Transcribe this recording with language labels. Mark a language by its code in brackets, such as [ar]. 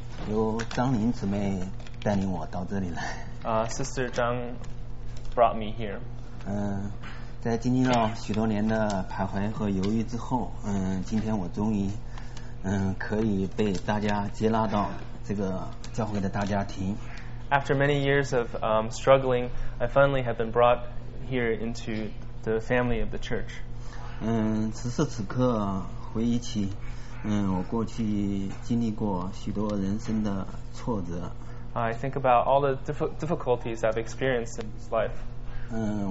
[zh] 由张林姊妹带领我到这里来。 [en] Sister Zhang brought me here. [zh] 在经历了许多年的徘徊和犹豫之后，今天我终于可以被大家接纳到这个教会的大家庭。 [en] After many years of struggling, I finally have been brought here into the family of the church. [zh] 此时此刻回忆起，我过去经历过许多人生的挫折。 [en] I think about all the difficulties I've experienced in this life.